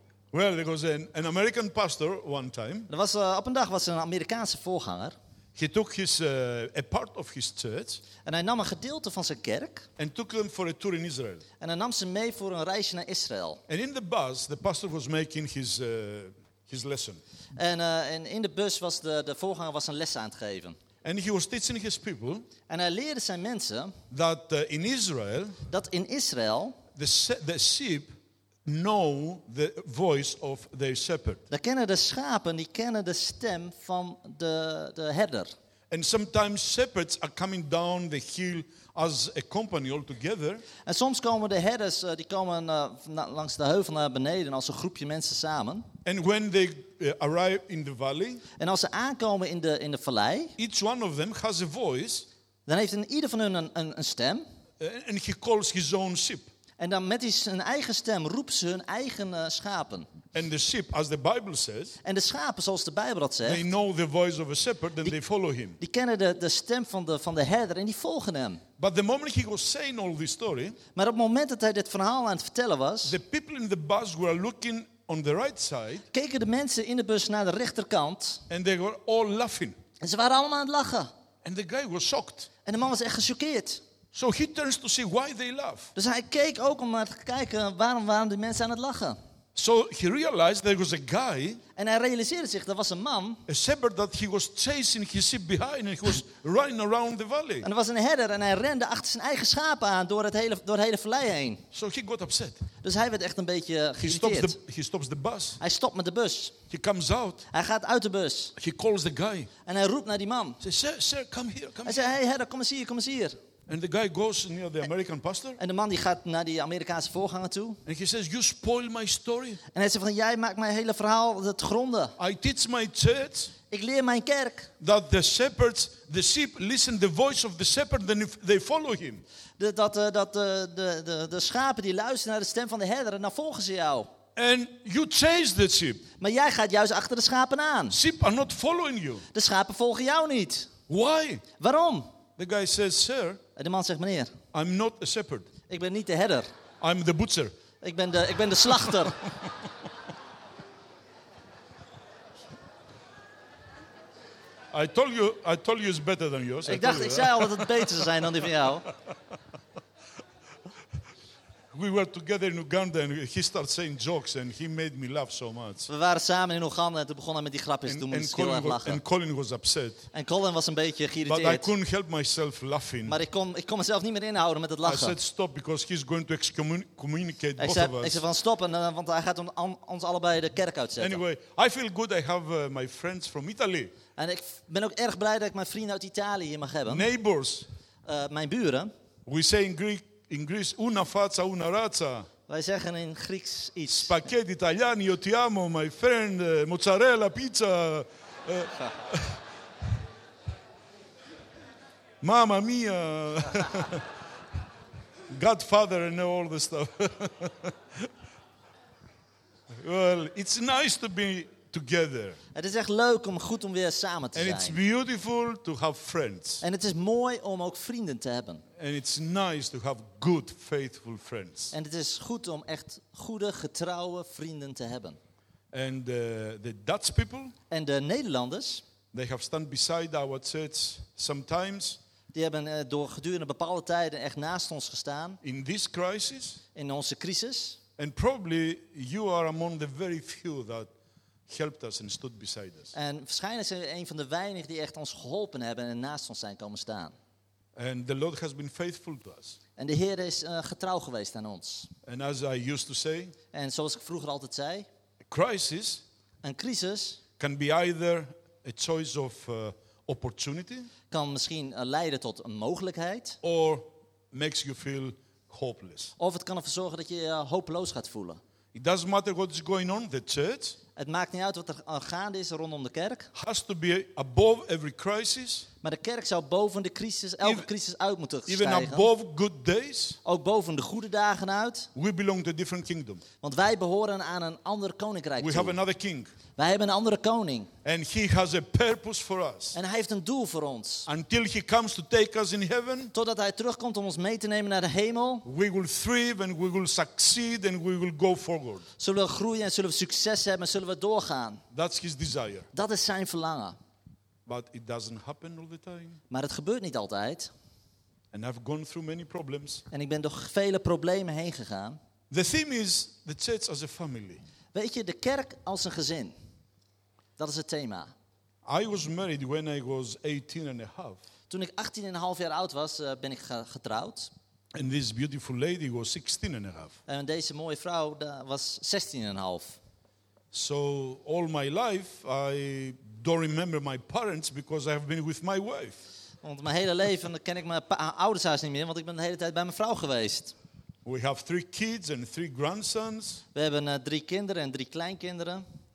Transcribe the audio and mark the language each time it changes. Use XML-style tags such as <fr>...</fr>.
<en>Well, there was an American pastor one time.</en> <nl>Er was op een dag was een Amerikaanse voorganger.</nl> <en>He took his a part of his church.</en> <nl>En hij nam een gedeelte van zijn kerk.</nl> <en>And took them for a tour in Israel.</en> <nl>En hij nam ze mee voor een reisje naar Israël.</nl> <en>And in the bus, the pastor was making his lesson.</en> <nl>En in de bus was de voorganger was een les aan het geven.</nl> <en>And he was teaching his people.</en> <nl>En hij leerde zijn mensen. Dat in Israël.</nl> <en>The sheep know the voice of their shepherd.</en> <nl>Dan kennen de schapen, die kennen de stem van de herder.</nl> <en>And sometimes shepherds are coming down the hill as a company all together.</en> <nl>En soms komen de herders, die komen langs de heuvel naar beneden als een groepje mensen samen.</nl> <en>And when they arrive in the valley.</en> <nl>En als ze aankomen in de vallei.</nl> <en>Each one of them has a voice.</en> <nl>Dan heeft ieder van hun een stem.</nl> <en>And he calls his own sheep.</en> <nl>En dan met zijn eigen stem roept ze hun eigen schapen.</nl> <en>And the sheep, as the Bible says,</en> <nl>en de schapen, zoals de Bijbel dat zegt,</nl> <en>they know the voice of a shepherd and they follow him.</en> <nl>Die kennen de stem van de herder en die volgen hem.</nl> <en>But the moment he was saying all this story,</en> <nl>maar op het moment dat hij dit verhaal aan het vertellen was,</nl> <en>the people in the bus were looking on the right side,</en> <nl>keken de mensen in de bus naar de rechterkant,</nl> <en>and they were all laughing.</en> <nl>En ze waren allemaal aan het lachen.</nl> <en>And the guy was shocked.</en> <nl>En de man was echt gechoqueerd.</nl> <en>So he turns to see why they laugh.</en> <nl>Dus hij keek ook om naar te kijken waarom die mensen aan het lachen.</nl> <en>So he realized there was a guy.</en> <nl>En hij realiseerde zich dat was een man.</nl> <en>A shepherd that he was chasing his sheep behind and he was running around the valley.</en> <nl>En er was een herder en hij rende achter zijn eigen schapen aan door het hele vallei heen.</nl> <en>So he got upset.</en> <nl>Dus hij werd echt een beetje geïrriteerd.</nl> <en>He stops the bus.</en> <nl>Hij stopt met de bus.</nl> <en>He comes out.</en> <nl>Hij gaat uit de bus.</nl> <en>He calls the guy.</en> <nl>En hij roept naar die man.</nl> <en>Say, sir, come here, come here.</en> <nl>Hij zei, hey herder, kom eens hier, kom eens hier.</nl> <en>And the guy goes near the American pastor.</en> <nl>En de man die gaat naar die Amerikaanse voorganger toe.</nl> <en>And he says, "You spoil my story."</en> <nl>En hij zegt van, jij maakt mijn hele verhaal te gronden.</nl> <en>I teach my church.</en> <nl>Ik leer mijn kerk.</nl> <en>That the shepherds, the sheep, listen the voice of the shepherd, then they follow him.</en> <nl>Dat de schapen die luisteren naar de stem van de herder en dan volgen ze jou.</nl> <en>And you chase the sheep.</en> <nl>Maar jij gaat juist achter de schapen aan.</nl> <en>Sheep are not following you.</en> <nl>De schapen volgen jou niet.</nl> <en>Why?</en> <nl>Waarom?</nl> <en>The guy says, "Sir."</en> <nl>En de man zegt, meneer,</nl> <en>I'm not a shepherd.</en> <nl>Ik ben niet de herder.</nl> <en>I'm the butcher.</en> <nl>Ik ben de slachter.</nl> <en>I told you it's better than yours.</en> <nl>Ik zei al dat het beter zou zijn dan die van jou.</nl> <en>We were together in Uganda and he started saying jokes and he made me laugh so much.</en> <nl>We waren samen in Oganda en toen begon hij met die grapjes. Toen moest ik heel erg lachen.</nl> <en>And Colin was upset.</en> <nl>En Colin was een beetje geïrriteerd.</nl> <en>But I couldn't help myself laughing.</en> <nl>Maar ik kon mezelf niet meer inhouden met het lachen.</nl> <en>I said stop because he's going to excommunicate both of us.</en> <nl>Ik zei van stop, want hij gaat ons allebei de kerk uitzetten.</nl> <en>Anyway, I feel good I have my friends from Italy.</en> <nl>En ik ben ook erg blij dat ik mijn vrienden uit Italië hier mag hebben.</nl> <en>Neighbors.</en> <nl>Mijn buren.</nl> <en>We say in Greek,</en> <it>una faccia, una razza.</it> <nl>Wij zeggen in Grieks iets.</nl> <it>Spaghetti italiani, io ti amo,</it> <en>my friend,</en> <it>mozzarella, pizza. Mamma mia.</it> <en>Godfather and all the stuff. Well, it's nice to be together.</en> <nl>Het is echt leuk om goed om weer samen te</nl> <en>and</en> <nl>zijn.</nl> <en>It's beautiful to have friends.</en> <nl>En het is mooi om ook vrienden te hebben.</nl> <en>And it's nice to have good, faithful friends.</en> <nl>En het is goed om echt goede, getrouwe vrienden te hebben.</nl> <en>And the Dutch people.</en> <nl>En de Nederlanders.</nl> <en>They have stand beside our church sometimes.</en> <nl>Die hebben door gedurende bepaalde tijden echt naast ons gestaan.</nl> <en>In this crisis.</en> <nl>In onze crisis.</nl> <en>And probably you are among the very few that helped us and stood beside us.</en> <nl>En waarschijnlijk zijn we een van de weinigen die echt ons geholpen hebben en naast ons zijn komen staan.</nl> <en>And the Lord has been faithful to us.</en> <nl>En de Heer is getrouw geweest aan ons.</nl> <en>And as I used to say.</en> <nl>En zoals ik vroeger altijd zei.</nl> <en>A crisis.</en> <nl>Een crisis.</nl> <en>Can be either a choice of opportunity.</en> <nl>Kan misschien leiden tot een mogelijkheid.</nl> <en>Or makes you feel hopeless.</en> <nl>Of het kan ervoor zorgen dat je hopeloos gaat voelen.</nl> <en>It doesn't matter what is going on the church.</en> <nl>Het maakt niet uit wat er gaande is rondom de kerk.</nl> <en>Has to be above every crisis.</en> <nl>Maar de kerk zou boven de crisis, elke crisis uit moeten stijgen.</nl> <en>Even above good days.</en> <nl>Ook boven de goede dagen uit.</nl> <en>We belong to a different kingdom.</en> <nl>Want wij behoren aan een ander koninkrijk.</nl> <en>We have another king.</en> <nl>Wij hebben een andere koning.</nl> <en>And he has a purpose for us.</en> <nl>En hij heeft een doel voor ons.</nl> <en>Until he comes to take us in heaven.</en> <nl>Totdat hij terugkomt om ons mee te nemen naar de hemel.</nl> <en>We will thrive and we will succeed and we will go forward.</en> <nl>Zullen we groeien en zullen we succes hebben en zullen we doorgaan.</nl> <en>That's his desire.</en> <nl>Dat is zijn verlangen.</nl> <en>But it doesn't happen all the time.</en> <nl>Maar het gebeurt niet altijd.</nl> <en>And I've gone through many problems.</en> <nl>En ik ben door vele problemen heen gegaan.</nl> <en>The theme is the church as a family.</en> <nl>Weet je, de kerk als een gezin. Dat is het thema.</nl> <en>I was married when I was 18 and a half.</en> <nl>Toen ik 18 en een half jaar oud was, ben ik getrouwd.</nl> <en>And this beautiful lady was 16 and a half.</en> <nl>En deze mooie vrouw was 16 en een half.</nl> <en>So all my life I don't remember my parents because I have been with my wife.</en> <nl>Want mijn hele leven ken ik mijn ouders huis niet meer, want ik ben de hele tijd bij mijn vrouw geweest.</nl> <en>We have three kids and three grandsons.</en> <nl>We hebben drie kinderen en drie kleinkinderen.</nl>